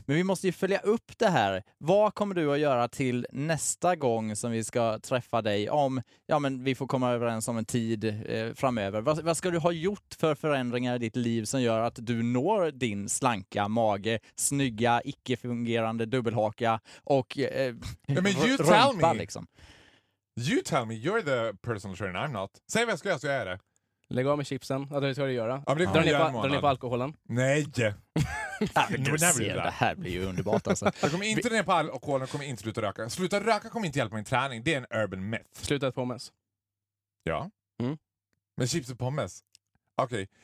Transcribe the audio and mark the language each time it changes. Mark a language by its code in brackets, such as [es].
[sv] Men vi måste ju följa upp det här. Vad kommer du att göra till nästa gång som vi ska träffa dig om, ja, men vi får komma överens om en tid framöver? Vad ska du ha gjort för förändringar i ditt liv som gör att du når din slanka mage, snygga, icke-fungerande dubbelhaka och rumpa liksom? [en] You tell me, you're the personal trainer, I'm not. [sv] Säg vad jag ska göra så jag är det. Lägg av med chipsen. Ja, det ska du göra. Ja, dra ner på alkoholen. Nej. Du ser, det här blir ju underbart alltså. Jag kommer inte ner på alkoholen, kommer inte sluta röka. Sluta röka kommer inte hjälpa min träning. Det är en [en] urban myth. [sv] Sluta pommes. Ja. Mm. Men chips och pommes. Okej. Okay.